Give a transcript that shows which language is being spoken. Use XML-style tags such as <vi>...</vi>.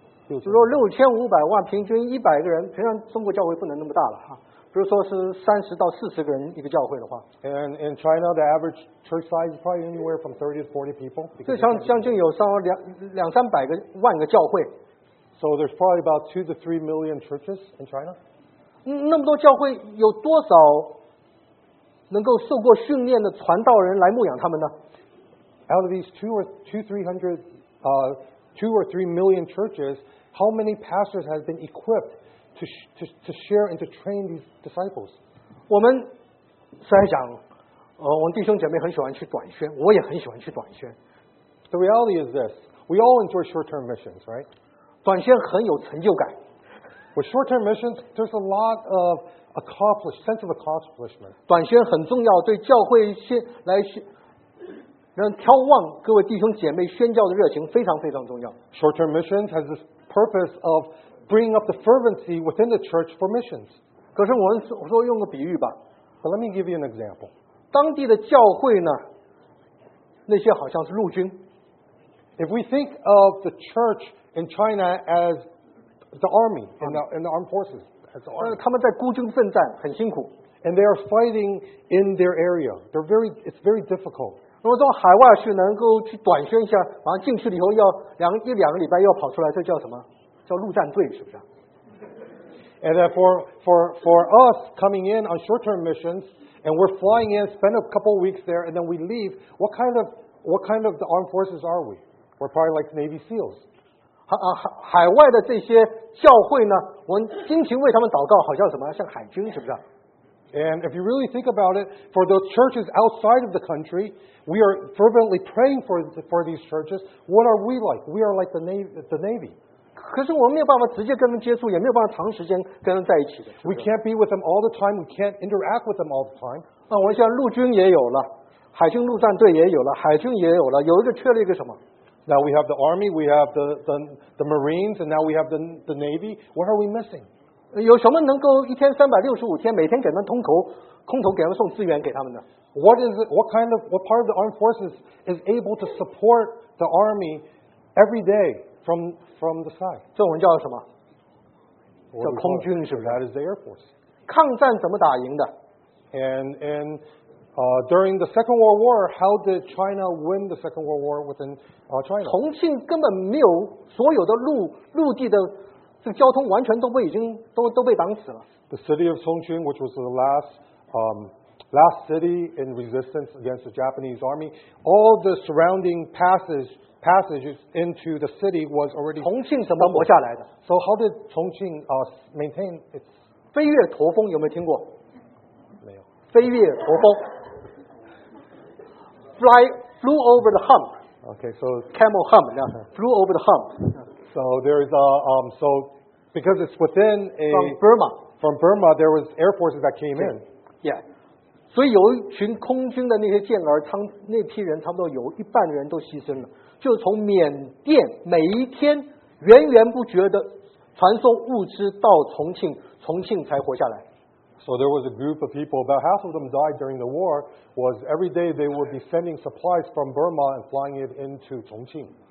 <zh>比如说6500万，平均100个人，平常中国教会不能那么大了哈。比如说是30到40个人一个教会的话。</zh> <en>And in China, the average church size is probably anywhere from 30 to 40 people.</en> <zh>就将近有两三百万个教会。</zh> <en>So there's probably about 2 to 3 million churches in China.</en> <zh>那么多教会有多少能够受过训练的传道人来牧养他们呢</zh> <en>？Out of these two or three million churches, how many pastors have been equipped to share and to train these disciples?</en> <zh>我们虽然讲，我们弟兄姐妹很喜欢去短宣，我也很喜欢去短宣。</zh> <en>The reality is this: we all enjoy short-term missions, right?</en> <zh>短宣很有成就感。</zh> <en>With short-term missions, there's a lot of sense of accomplishment.</en> <zh>短宣很重要，对教会让眺望各位弟兄姐妹宣教的热情非常非常重要。</zh> <en>Short-term missions has this purpose of bringing up the fervency within the church for missions.</en> <zh>可是我说用个比喻吧。</zh> <en>But let me give you an example.</en> <zh>当地的教会呢，那些好像是陆军。</zh> <en>If we think of the church in China as the army, in the armed forces, as the army.</en> <zh>他们在孤军奋战，很辛苦。</zh> <en>And they are fighting in their area. It's very difficult.</en> <zh>如果从海外去能够去短宣一下，马上进去了以后要一两个礼拜要跑出来，这叫什么？叫陆战队是不是</zh> <en>？And then for us coming in on short-term missions, and we're flying in, spend a couple of weeks there, and then we leave. What kind of the armed forces are we? We're probably like Navy SEALs.</en> <zh>海外的这些教会呢，我们辛勤为他们祷告，好像什么？像海军是不是？</zh> <en>And if you really think about it, for those churches outside of the country, we are fervently praying for these churches. What are we like? We are like the Navy.</en> <zh>可是我们没有办法直接跟他们接触，也没有办法长时间跟他们在一起的。</zh> <en>We can't be with them all the time. We can't interact with them all the time.</en> <zh>那我想陆军也有了，海军陆战队也有了，海军也有了，有一个缺了一个什么？</zh> <en>Now we have the Army, we have the Marines, and now we have the Navy. What are we missing?</en> <zh>有什么能够一天365天每天给他们通口空投给他们送资源给他们的</zh> <en>What part of the armed forces is able to support the army every day from the side?</en> <zh>这我们叫什么叫空军是不是</zh> <en>That is the air force.</en> <zh>抗战怎么打赢的</zh> <en>And during the Second World War, how did China win the Second World War within China?</en> <zh>重庆根本没有所有的陆地的这个、交通完全都被已经 都被挡死了。</zh> <en>The city of Chongqing, which was the last city in resistance against the Japanese army, all the surrounding passages into the city was already.</en> <zh>重庆怎么活下来的</zh> <en>？So how did Chongqing maintain its?</en> <zh>飞越驼峰有没有听过？没有。飞越驼峰。</zh> <en>flew over the hump. Okay, so camel hump, yeah. Flew over the hump. So there is a. Because it's within a from Burma, there was air forces that came in.</en> <zh>Yeah, 所以有一群空军的那些健儿，那批人差不多有一半人都牺牲了，就从缅甸每一天源源不绝的传送物资到重庆，重庆才活下来。</zh> <en>So there was a group of people. About half of them died during the war. Was every day they would be sending supplies from Burma and flying it into Chongqing.</en>